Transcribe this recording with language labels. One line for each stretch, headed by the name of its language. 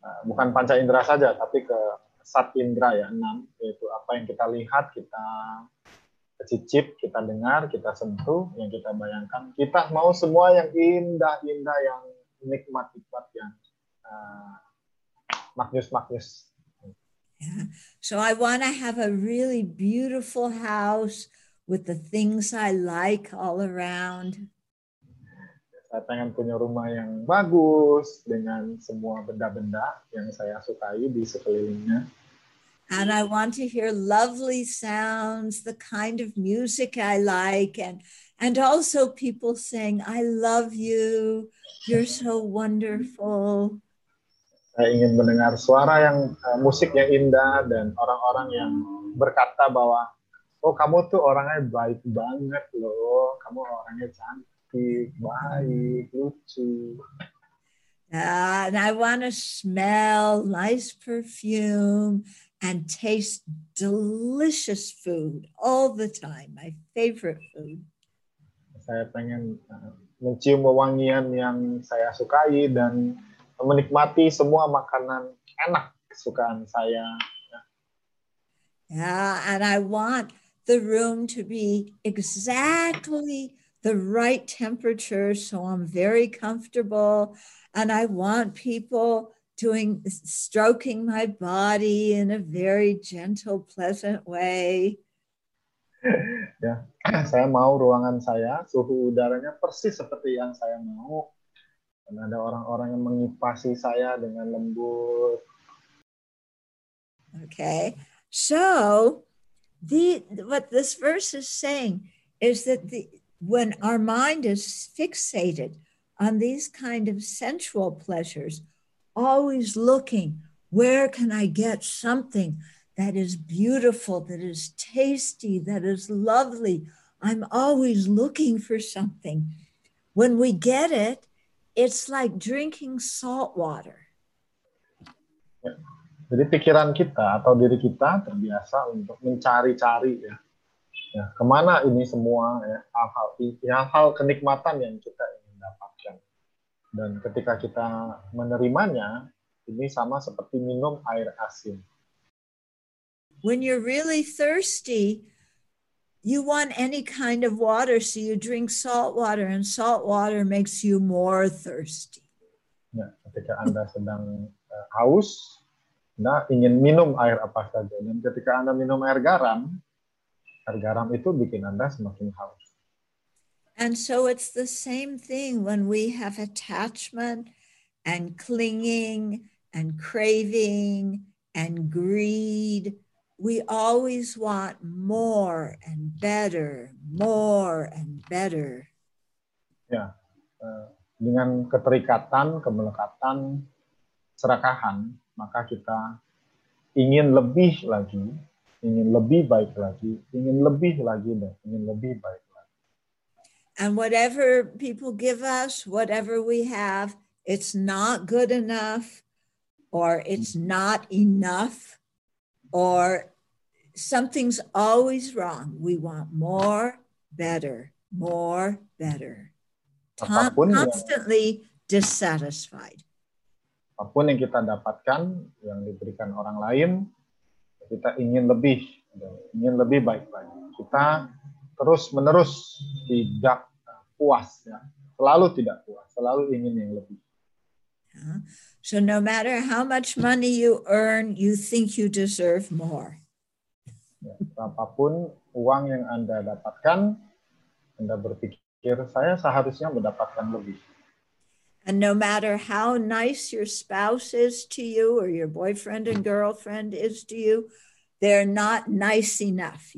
Indonesian: Bukan panca indera saja, tapi ke sat indera ya, 6, yaitu apa yang kita lihat, kita cicip, kita dengar, kita sentuh, yang kita bayangkan. Kita mau semua yang indah-indah, yang nikmat-nikmat yang Magnus.
English: Yeah. So I want to have a really beautiful house with the things I like all around.
Indonesian: Saya pengen punya rumah yang bagus dengan semua benda-benda yang saya sukai di sekelilingnya.
English: And I want to hear lovely sounds, the kind of music I like, and also people saying, "I love you, you're so wonderful."
Indonesian: Saya ingin mendengar suara yang musik yang indah dan orang-orang yang berkata bahwa, "Oh, kamu tuh orangnya baik banget loh, kamu orangnya cantik, baik, lucu."
English: And I want to smell nice perfume and taste delicious food all the time, my favorite food.
Indonesian: Saya pengen mencium wewangian yang saya sukai dan menikmati semua makanan enak kesukaan saya.
English: Yeah, and I want the room to be exactly the right temperature, so I'm very comfortable, and I want people doing stroking my body in a very gentle, pleasant way.
Indonesian: Ya, saya mau ruangan saya suhu udaranya persis seperti yang saya mau, dan ada orang-orang yang mengipasi saya dengan lembut.
English: Okay, so what this verse is saying is that when our mind is fixated on these kind of sensual pleasures, always looking, where can I get something that is beautiful, that is tasty, that is lovely? I'm always looking for something. When we get it, it's like drinking salt water.
Indonesian: Jadi pikiran kita atau diri kita terbiasa untuk mencari-cari ya. Ya, kemana ini semua ya, hal-hal kenikmatan yang kita ingin dapatkan. Dan ketika kita menerimanya, ini sama seperti minum air asin.
English: When you're really thirsty, you want any kind of water, so you drink salt water, and salt water makes you more thirsty.
Indonesian: Ya, ketika Anda sedang haus, Anda ingin minum air apa saja. Dan ketika Anda minum air garam itu bikin Anda semakin haus.
English: And so it's the same thing when we have attachment and clinging and craving and greed. We always want more and better, more and better.
Indonesian: Ya, dengan keterikatan, kemelekatan, serakahan, maka kita ingin lebih lagi, ingin lebih baik lagi, ingin lebih lagi, dan ingin lebih baik lagi.
English: And whatever people give us, whatever we have, it's not good enough, or it's not enough, or something's always wrong. We want more, better, more, better. Constantly dissatisfied.
Indonesian: Apapun yang kita dapatkan, yang diberikan orang lain, kita ingin lebih baik lagi. Kita terus-menerus tidak puas, ya. Selalu tidak puas, selalu ingin yang lebih.
English: So no matter how much money you earn, you think you deserve more.
Indonesian: Ya, apapun uang yang Anda dapatkan, Anda berpikir, saya seharusnya mendapatkan lebih.
English: And no matter how nice your spouse is to you, or your boyfriend and girlfriend is to you, they're not nice enough.